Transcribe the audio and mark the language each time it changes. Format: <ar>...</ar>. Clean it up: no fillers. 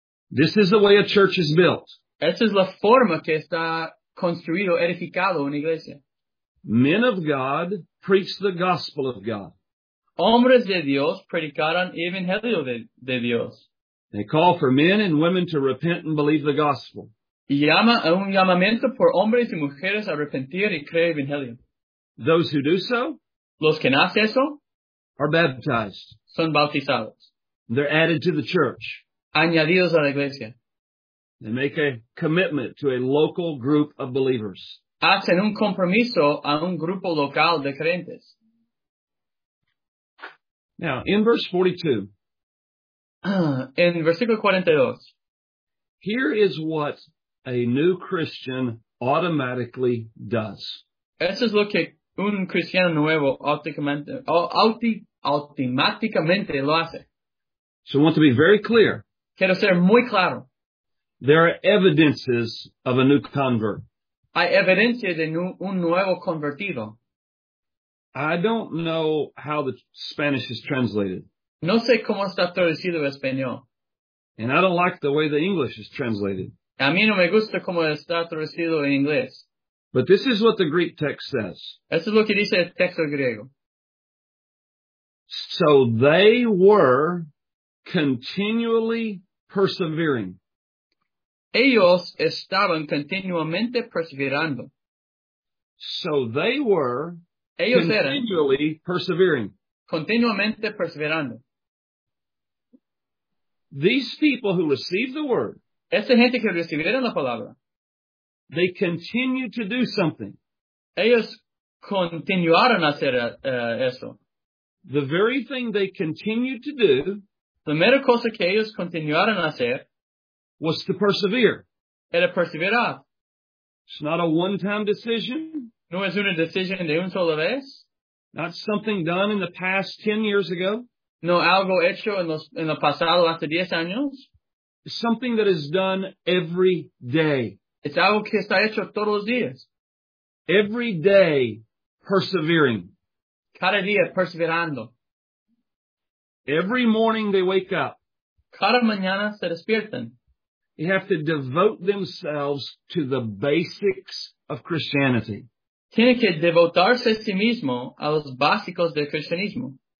<en>This is the way a church is built.</en> <es>Esta es la forma que está construido, edificado una iglesia.</es> <en>Men of God preach the gospel of God.</en> <es>Hombres de Dios predicaron el evangelio de Dios.</es> <en>They call for men and women to repent and believe the gospel.</en> <es>Y llama a un llamamiento por hombres y mujeres a arrepentir y creer el evangelio.</es> <en>Those who do so,</en> <es>los que hacen eso,</es> <en>are baptized.</en> <es>Son bautizados.</es> <en>They're added to the church.</en> <es>Añadidos a la iglesia.</es> <en>They make a commitment to a local group of believers.</en> <es>Hacen un compromiso a un grupo local de creyentes.</es> <en>Now, in verse 42.</en> <es>En versículo 42.</es> <en>Here is what a new Christian automatically does.</en> <es>Eso es lo que un cristiano nuevo automáticamente lo hace.</es> <en>So I want to be very clear.</en> <es>Quiero ser muy claro.</es> <en>There are evidences of a new convert.</en> <es>Hay evidencia de un nuevo convertido.</es> <en>I don't know how the Spanish is translated.</en> <es>No sé cómo está traducido el español.</es> <en>And I don't like the way the English is translated.</en> <es>A mí no me gusta cómo está traducido en inglés.</es> <en>But this is what the Greek text says.</en> <es>Eso es lo que dice el texto griego.</es> <en>So they were continually persevering.</en> <es>Ellos estaban continuamente perseverando.</es> <en>So they were</en> <es>ellos</es> <en>continually</en> <es>eran</es> <en>persevering.</en> <es>Continuamente perseverando.</es> <en>These people who received the word,</en> <es>esta gente que recibieron la palabra,</es> <en>they continued to do something.</en> <es>Ellos continuaron a hacer eso.</es> <en>The very thing they continued to do,</en> <es>la mera cosa que ellos continuaron a hacer,</es> <en>was to persevere.</en> <es>Era perseverar.</es> <en>It's not a one-time decision.</en> <es>No es una decisión de una sola vez.</es> <en>Not something done in the past 10 years ago.</en> <es>No algo hecho en el pasado hace 10 años.</es> <en>It's something that is done every day.</en> <es>Es algo que está hecho todos los días.</es> <en>Every day, persevering.</en> <es>Cada día, perseverando.</es> <en>Every morning they wake up.</en> <es>Cada mañana se despiertan.</es> <en>They have to devote themselves to the basics of Christianity.</en> <es>Tienen que devotarse a sí mismo a los básicos del cristianismo.</es>